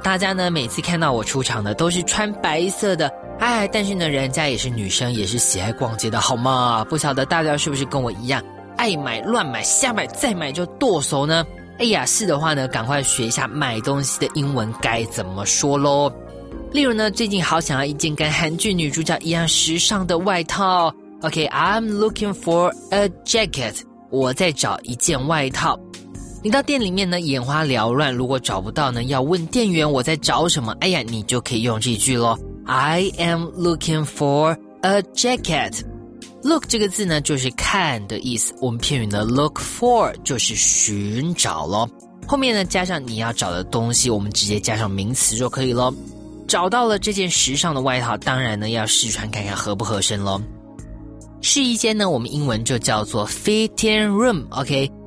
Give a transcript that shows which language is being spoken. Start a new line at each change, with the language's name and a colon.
Chinese: 大家呢每次看到我出场的都是穿白色的，哎，但是呢人家也是女生，也是喜爱逛街的，好吗？不晓得大家是不是跟我一样爱买乱买，瞎买再买就剁手呢？哎呀，是的话呢赶快学一下买东西的英文该怎么说咯。例如呢，最近好想要一件跟韩剧女主角一样时尚的外套。
English: OK, I'm looking for a jacket.
Chinese: 我在找一件外套。你到店里面呢，眼花缭乱，如果找不到呢，要问店员我在找什么。哎呀，你就可以用这句咯。
English: I am looking for a jacket.
Chinese: Look 这个字呢，就是看的意思。我们片语呢
English: look for
Chinese: 就是寻找咯。后面呢，加上你要找的东西，我们直接加上名词就可以咯。找到了这件时尚的外套，当然呢要试穿看看合不合身咯。试衣间呢我们英文就叫做
English: fitting room, OK?